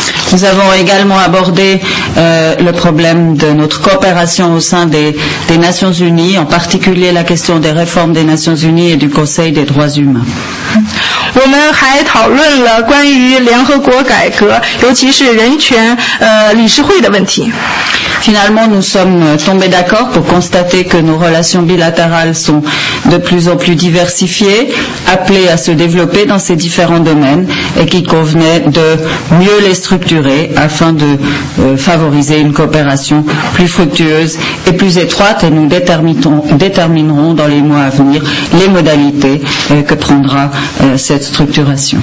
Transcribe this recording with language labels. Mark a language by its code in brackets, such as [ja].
[fr] Nous avons également abordé le problème de notre coopération au sein des Nations Unies, en particulier la question des réformes des Nations Unies et du Conseil des droits humains. [zh] 我们还讨论了关于联合国改革，尤其是人权理事会的问题。 [fr] Finalement, nous sommes tombés d'accord pour constater que nos relations bilatérales sont de plus en plus diversifiées, appelées à se développer dans ces différents domaines et qu'il convenait de mieux les structurer afin de favoriser une coopération plus fructueuse et plus étroite, et nous déterminerons dans les mois à venir les modalités que prendra cette structuration.